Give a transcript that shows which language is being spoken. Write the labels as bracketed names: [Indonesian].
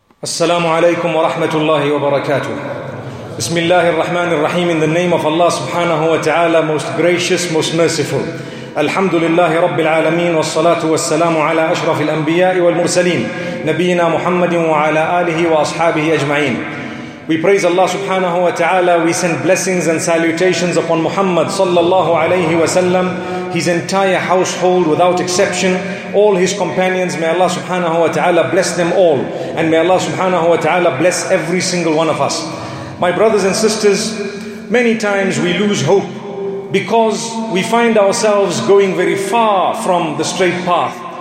[Arabic] السلام عليكم ورحمة الله وبركاته. بسم الله الرحمن الرحيم. [English] In the name of Allah [Arabic] سبحانه وتعالى, [English] most gracious, most merciful. [Arabic] الحمد لله رب العالمين والصلاة والسلام على أشرف الأنبياء والمرسلين نبينا محمد وعلى آله وأصحابه أجمعين. [English] We praise Allah subhanahu wa ta'ala. We send blessings and salutations upon Muhammad sallallahu alayhi wa sallam, his entire household without exception, all his companions. May Allah subhanahu wa ta'ala bless them all, and may Allah subhanahu wa ta'ala bless every single one of us. My brothers and sisters, many times we lose hope because we find ourselves going very far from the straight path.